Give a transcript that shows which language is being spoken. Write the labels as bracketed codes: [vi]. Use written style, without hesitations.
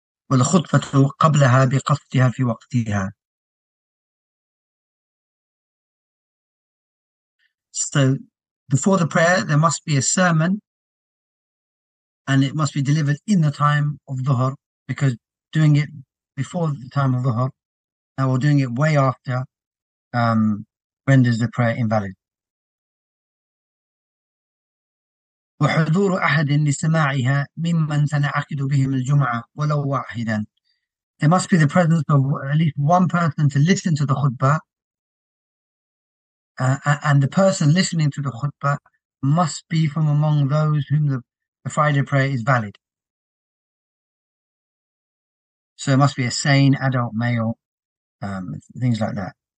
[ar] والخطبة قبلها بقصدها في وقتها. [en] So before the prayer, there must be a sermon and it must be delivered in the time of Dhuhr, because doing it before the time of Dhuhr or doing it way after renders the prayer invalid. [ar] وحضور أحد لسماعها ممن تنعقد بهم الجمعة ولو واحدا. [en] There must be the presence of at least one person to listen to the khutbah, and the person listening to the khutbah must be from among those whom the Friday prayer is valid. So it must be a sane adult male, things like that.